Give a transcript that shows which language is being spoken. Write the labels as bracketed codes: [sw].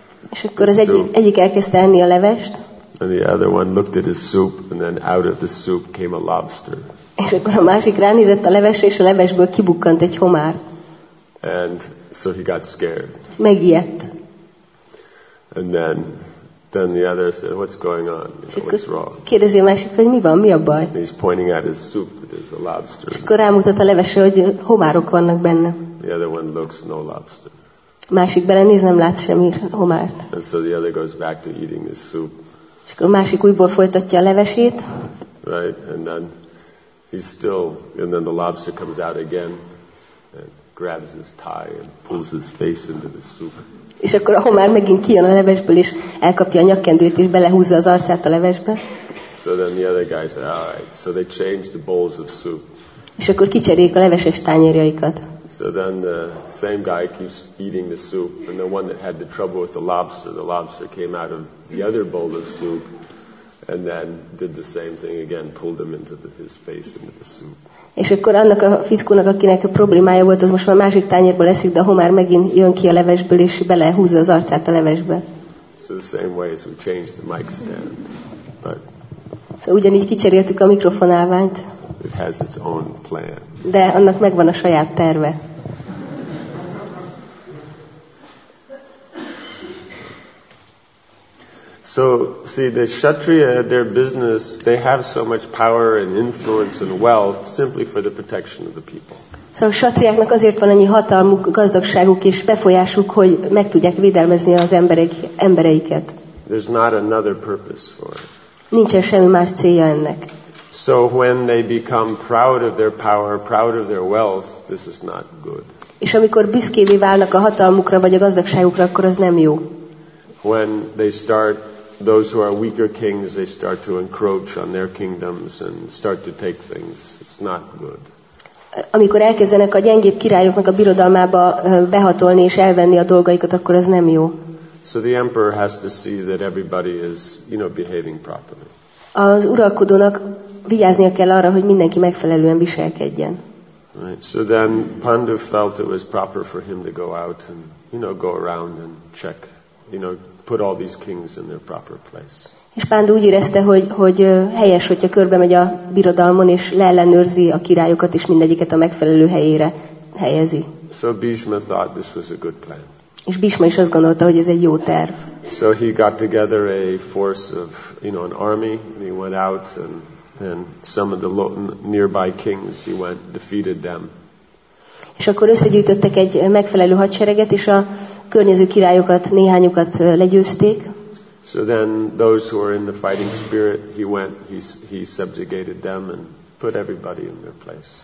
[hu] És akkor az egyik elkezdte enni a levest. [en] And the other one looked at his soup, and then out of the soup came a lobster. [hu] És akkor a másik ránézett a levesre, és a levesből kibukkant egy homár. [en] And so he got scared. [hu] Megijedt. [en] And then the other said, "What's going on? You know, what's wrong?" [hu] Kérdezi a másik, hogy mi van, mi a baj? [en] And he's pointing at his soup that there's a lobster. [hu] És akkor rámutat a levesre, hogy homárok vannak benne. [en] The other one looks no lobster. [hu] Másik belenéz, nem lát semmi homárt. [en] And so the other goes back to eating his soup. [hu] És akkor a másik újból folytatja a levesét. [en] Right, and then he's still, and then the lobster comes out again and grabs his tie and pulls his face into the soup. [hu] És akkor a homár megint kijön a levesből, és elkapja a nyakkendőt, és belehúzza az arcát a levesbe. [en] So then the other guy said, all right. So they change the bowls of soup. [hu] És akkor kicserélik a leveses tányérjaikat. [en] So then the same guy keeps eating the soup, and the one that had the trouble with the lobster came out of the other bowl of soup, and then did the same thing again, pulled him into his face into the soup. [hu] És akkor annak a fickónak, akinek a problémája volt, az most már másik tányérból eszik, de a homár megint jön ki a levesből, és belehúzza az arcát a levesbe. [en] So the same way as we changed the mic stand. But [hu] szóval ugyanígy kicseréltük a mikrofonálványt. [en] It has its own plan. [hu] De annak megvan a saját terve. [en] So, see, the Kshatriya, their business, they have so much power and influence and wealth simply for the protection of the people. [hu] So, a Kshatriyáknak azért van annyi hatalmuk, gazdagságuk és befolyásuk, hogy meg tudják védelmezni az embereiket. [en] There's not another purpose for it. [hu] Nincsen semmi más célja ennek. [en] So when they become proud of their power, proud of their wealth, this is not good. [hu] És amikor büszkévé válnak a hatalmukra vagy a gazdagságukra, akkor az nem jó. [en] When they start, those who are weaker kings, they start to encroach on their kingdoms and start to take things. It's not good. [hu] Amikor elkezdenek a gyengébb királyoknak a birodalmába behatolni és elvenni a dolgaikat, akkor az nem jó. [en] So the emperor has to see that everybody is, you know, behaving properly. [hu] Az uralkodónak vigyáznia kell arra, hogy mindenki megfelelően viselkedjen. [en] Right. So then Pandav felt it was proper for him to go out and, you know, go around and check, you know, put all these kings in their proper place. [hu] És Pandu úgy érezte, hogy helyes, hogyha körbe megy a birodalmon és leellenőrzi a királyokat és mindegyiket a megfelelő helyére helyezi. [en] So Bhishma thought this was a good plan. [hu] És Bhishma is azt gondolta, hogy ez egy jó terv. [en] So he got together a force of, you know, an army, and he went out and some of the nearby kings, he went, defeated them. [hu] És akkor összegyűjtöttek egy megfelelő hadsereget, és a környező királyokat, néhányukat legyőzték. [en] So then those who were in the fighting spirit, he went, he subjugated them and put everybody in their place.